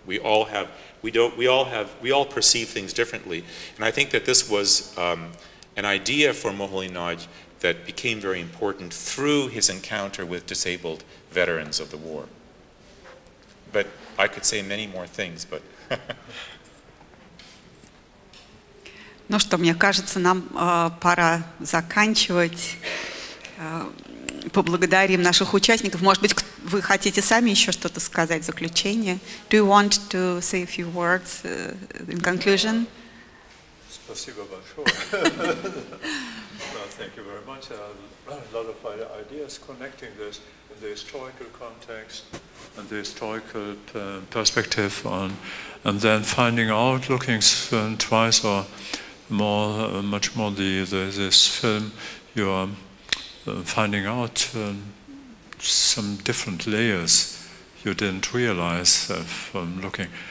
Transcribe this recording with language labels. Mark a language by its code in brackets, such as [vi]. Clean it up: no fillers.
[en] We all perceive things differently. And I think that this was an idea for Moholy-Nagy that became very important through his encounter with disabled veterans of the war. But I could say many more things, but. [ru] Ну что, мне кажется, нам пора заканчивать. Поблагодарим наших участников. Может быть, вы хотите сами еще что-то сказать в заключение? [en] Do you want to say a few words in conclusion? [ru] Спасибо большое. [en] Well, thank you very much. A lot of ideas connecting this in the historical context and the historical perspective on, and then finding out, looking twice or more, much more this film, you are finding out some different layers you didn't realize from looking.